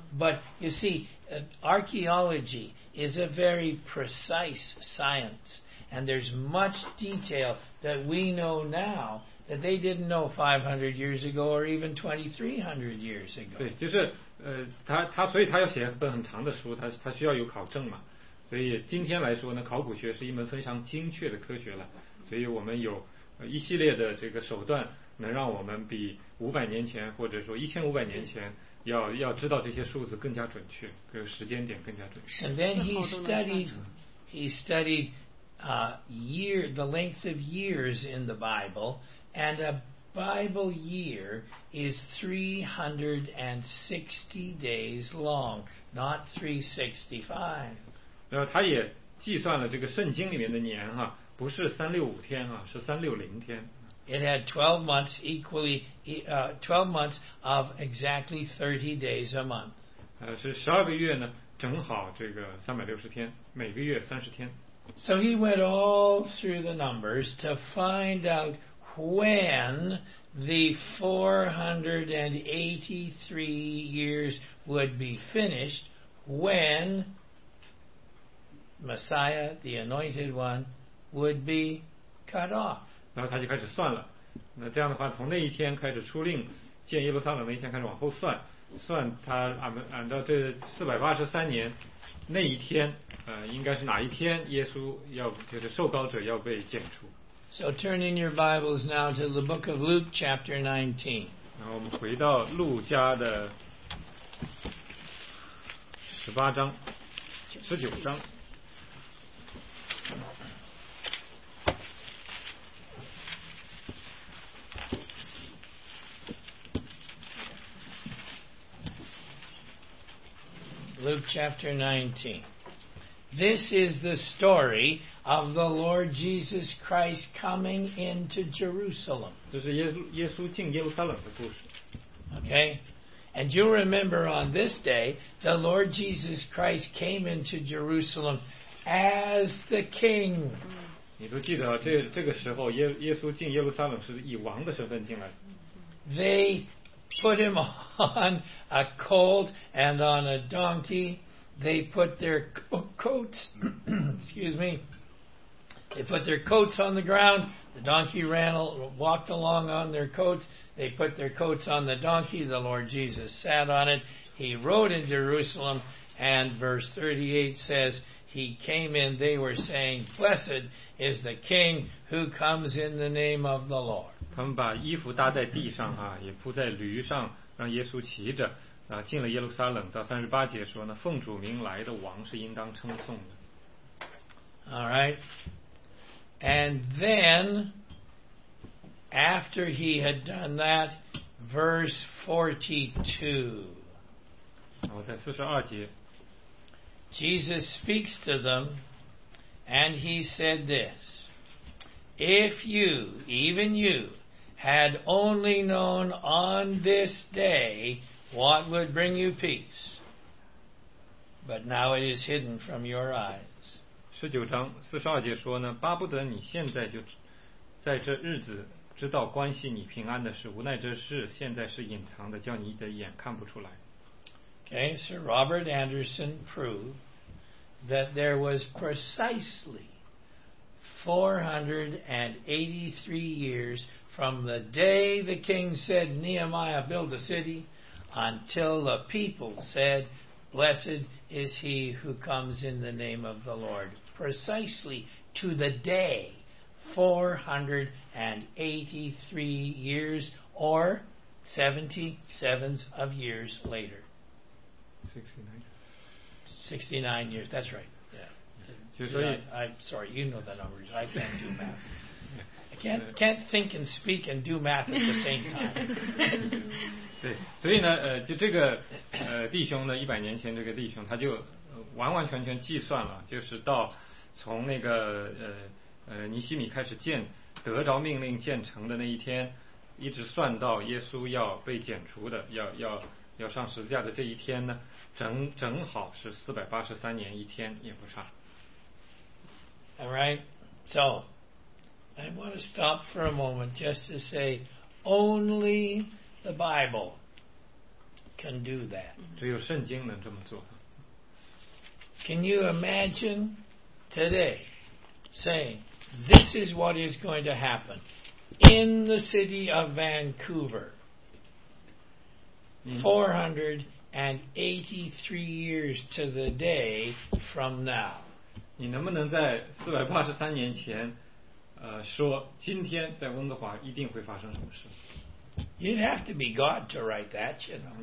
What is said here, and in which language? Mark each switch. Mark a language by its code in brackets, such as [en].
[en] But you see, archaeology is a very precise science, and there's much detail that we know now that they didn't know 500 years ago or even 2300 years ago. [zh] 对，就是他所以他要写一本很长的书，他需要有考证嘛。所以今天来说呢，考古学是一门非常精确的科学了。所以我们有一系列的这个手段，能让我们比500年前或者说1500年前。要知道这些数字更加准确，这个时间点更加准确。 [en] And then he studied year, the length of years in the Bible, and a Bible year is 360 days long, not 365. [zh] 然后他也计算了这个圣经里面的年哈，不是365天啊，是360天。 [en] It had 12 months equally, 12 months of exactly 30 days a month. [zh] 是12个月呢，正好这个360天，每个月30天。 [en] So he went all through the numbers to find out when the 483 years would be finished, when Messiah, the Anointed One, would be cut off. [zh] 然后他就开始算了，那这样的话，从那一天开始出令建耶路撒冷那一天开始往后算，算他按照这483年那一天，应该是哪一天耶稣要就是受膏者要被剪除。 [en] So turn in your Bibles now to the book of Luke, chapter 19. [zh] 然后我们回到路加的19章。 [en] Luke chapter 19. This is the story of the Lord Jesus Christ coming into Jerusalem. [zh] 这是耶稣进耶路撒冷的故事。 [en] Okay? And you'll remember on this day, the Lord Jesus Christ came into Jerusalem as the king. [zh] 你都记得这个时候耶稣进耶路撒冷是以王的身份进来。 [en] They put him on a colt and on a donkey. They put their coats, excuse me, they put their coats on the ground. The donkey walked along on their coats. They put their coats on the donkey. The Lord Jesus sat on it. He rode in Jerusalem. And verse 38 says, he came in. They were saying, blessed is the king who comes in the name of the Lord. [zh] 他们把衣服搭在地上啊，也铺在驴上，让耶稣骑着啊，进了耶路撒冷。到38节说呢，奉主名来的王是应当称颂的。 [en] All right, and then after he had done that, verse 42. [zh] 好，在四十二节。 [en] Jesus speaks to them, and he said this: If you, even you, had only known on this day what would bring you peace, but now it is hidden from your eyes. [zh] 十九章四十二节说呢，巴不得你现在就在这日子知道关系你平安的事，无奈这事现在是隐藏的，叫你的眼看不出来。 [en] Okay, Sir Robert Anderson proved that there was precisely 483 years from the day the king said, Nehemiah, build the city, until the people said, Blessed is he who comes in the name of the Lord. Precisely to the day, 483 years or 77s of years later. 69 years, that's right. I'm sorry, you know the numbers. I can't do math. I can't think and speak and do math at the same time. [zh] 对，所以呢，就这个弟兄呢，一百年前这个弟兄，他就完完全全计算了，就是到从那个尼希米开始建，得着命令建成的那一天，一直算到耶稣要被剪除的，要上十字架的这一天呢，正好是483年一天，也不差。 [en] All right, so I want to stop for a moment just to say only the Bible can do that. [zh] 只有圣经能这么做。 [en] Can you imagine today saying this is what is going to happen in the city of Vancouver 483 years to the day from now? [zh] 你能不能在483年前说今天在温哥华一定会发生什么事？ [en] You'd have to be God to write that, you know.